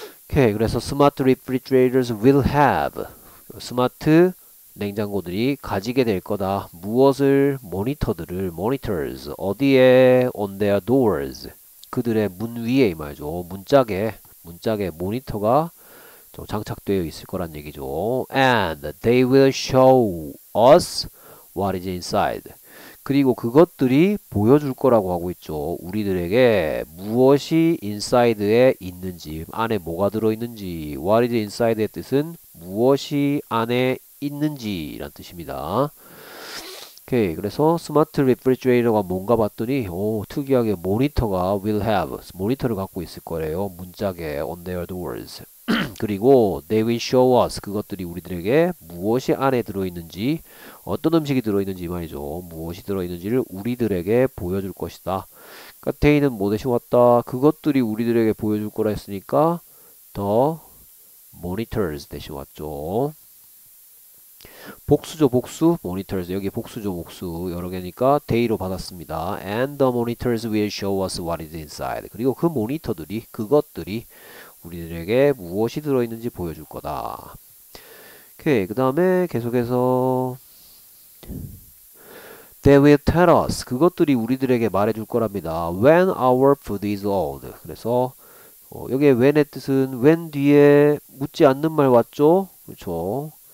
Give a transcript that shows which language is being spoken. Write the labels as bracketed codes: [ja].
[ko] 오케이, 그래서 [en] smart refrigerators will have [ko] 스마트 냉장고들이 가지게 될 거다. 무엇을? 모니터들을, [en] monitors. [ko] 어디에? [en] On their doors. [ko] 그들의 문 위에 이 말이죠. 문짝에 모니터가 장착되어 있을 거란 얘기죠. [en] And they will show us what is inside. [ko] 그리고 그것들이 보여줄 거라고 하고 있죠. 우리들에게 무엇이 inside에 있는지, 안에 뭐가 들어있는지, [en] what is inside [ko] 의 뜻은 무엇이 안에 있는지란 뜻입니다. 오케이, 그래서 스마트 리프리지레이터가 뭔가 봤더니 오, 특이하게 모니터가 [en] will have [ko] 모니터를 갖고 있을 거래요. 문짝에 [en] on their doors. [ko] 그리고 [en] they will show us [ko] 그것들이 우리들에게 무엇이 안에 들어있는지 어떤 음식이 들어있는지 말이죠. 무엇이 들어있는지를 우리들에게 보여줄 것이다. 그러니까 they는 뭐 대신 왔다. 그것들이 우리들에게 보여줄 거라 했으니까 더 monitors 대신 왔죠. 복수죠, 복수. monitors. 여기 복수죠, 복수. 여러 개니까 day로 받았습니다. [en] And the monitors will show us what is inside. [ko] 그리고 그 모니터들이, 그것들이 우리들에게 무엇이 들어있는지 보여줄 거다. 오케이. 그 다음에 계속해서. [en] They will tell us. [ko] 그것들이 우리들에게 말해줄 거랍니다. [en] When our food is old. [ko] 그래서, 여기에 when의 뜻은 when 뒤에 묻지 않는 말 왔죠? 그렇죠.